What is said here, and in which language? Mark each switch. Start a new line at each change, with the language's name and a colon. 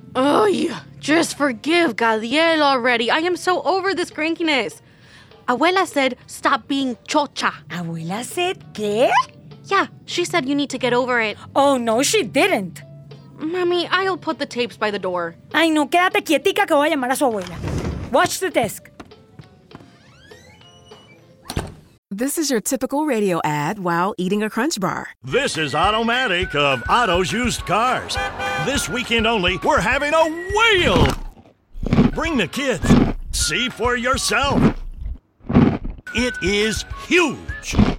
English: Ay, just forgive Gadiel already. I am so over this crankiness. Abuela said, stop being
Spanish: chocha.
English: Abuela said,
Spanish: ¿qué?
English: Yeah, she said you need to get over it. Oh, no, she didn't. Mommy, I'll put the tapes by the door.
Spanish: Ay, no, quédate quietica que voy a llamar a su abuela.
English: Watch the desk. This is your typical radio ad while eating a Crunch Bar. This is Automatic of Otto's Used Cars. This weekend only, we're having a whale! Bring the kids. See for yourself. It is huge.